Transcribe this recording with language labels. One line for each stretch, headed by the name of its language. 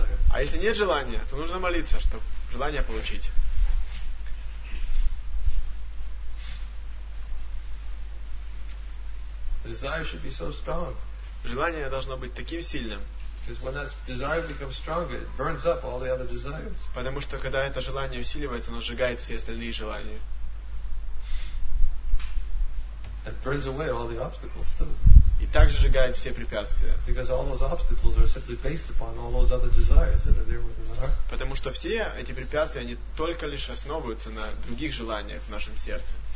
Russian: А если нет желания, то нужно молиться, чтобы желание получить.
English: Desire should be so strong.
Russian: Желание должно быть таким сильным,
English: Because when that desire becomes stronger, it burns up all the other desires.
Russian: Потому что когда это желание усиливается, оно сжигает все остальные желания.
English: And burns away all the obstacles too.
Russian: И также сжигает все препятствия.
English: Because all those obstacles are simply based upon all those other desires that are there within our heart.
Russian: Потому что все эти препятствия, они только лишь основываются на других желаниях в нашем сердце.